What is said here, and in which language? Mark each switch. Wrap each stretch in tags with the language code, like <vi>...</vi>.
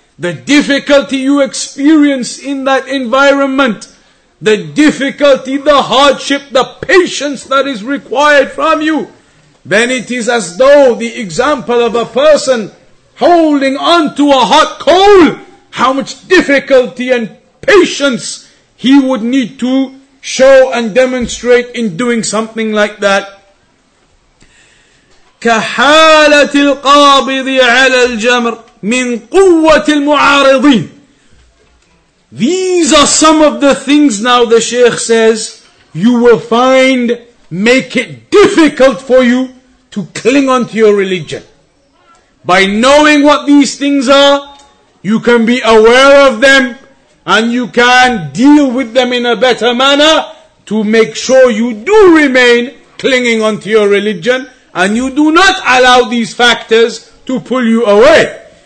<en>the difficulty you experience in that environment, the difficulty, the hardship, the patience that is required from you, then it is as though the example of a person holding on to a hot coal, how much difficulty and patience he would need to show and demonstrate in doing something like that.</en> <ar>كحالة القابض على الجمر من قوة المعارضين.</ar> <en>These are some of the things now the Shaykh says you will find make it difficult for you to cling on to your religion. By knowing what these things are, you can be aware of them and you can deal with them in a better manner to make sure you do remain clinging on to your religion and you do not allow these factors to pull you away.</en>